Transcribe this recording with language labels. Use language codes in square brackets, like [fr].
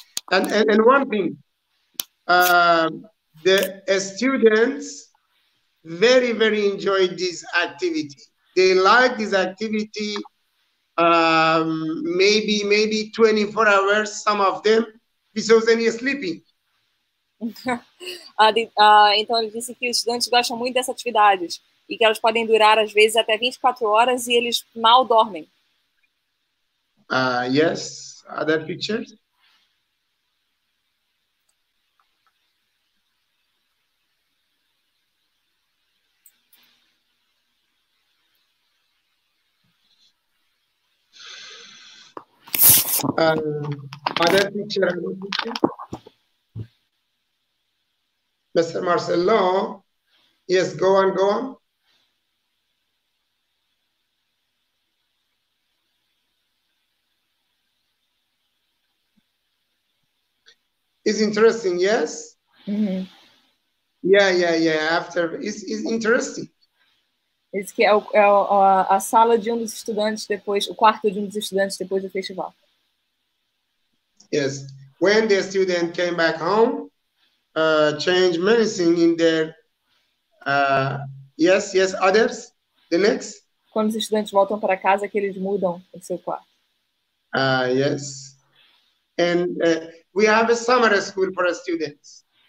[en] And one thing, the students very, very enjoy this activity. They like this activity, maybe 24 hours, some of them, because they are sleeping. [pt] Então, ele disse que os estudantes gostam muito dessas atividades e que elas podem durar, às vezes, até 24 horas e eles mal dormem. [en] Yes, other pictures. Other picture, other picture. Mr. Marcelo, yes, go on. It's interesting, yes? Mm-hmm. Yeah. After, it's interesting. [pt] Isso que é a sala de dos estudantes depois, o quarto de dos estudantes depois do festival. [en] Yes. When the student came back home, changed medicine in their Yes, yes, others? The next? [pt] Quando os estudantes voltam para casa, que eles mudam o seu quarto. [en] Ah, yes. And we have a summer school for students.